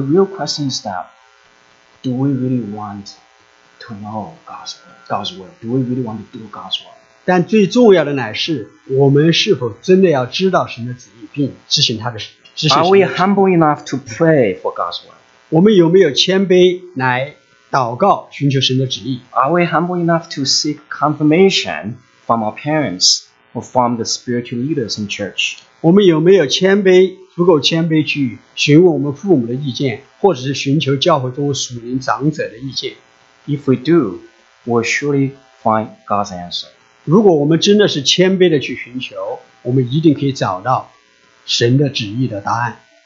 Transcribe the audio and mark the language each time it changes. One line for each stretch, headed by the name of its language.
English: real question is that, do we really want to know God's will? Do we really want to do God's will?
Chinese: 但最重要的乃是，我们是否真的要知道神的旨意，并执行他的旨意。
English: Are we humble enough to pray for God's will?
Chinese: 我们有没有谦卑来 祷告,
English: are we humble enough to seek confirmation from our parents or from the spiritual leaders in church?
Chinese: 我们有没有谦卑不够谦卑去询问我们父母的意见，或者是寻求教会中属灵长者的意见。
English: If we do, we'll surely find God's answer.
Chinese: 如果我们真的是谦卑的去寻求，我们一定可以找到神的旨意的答案。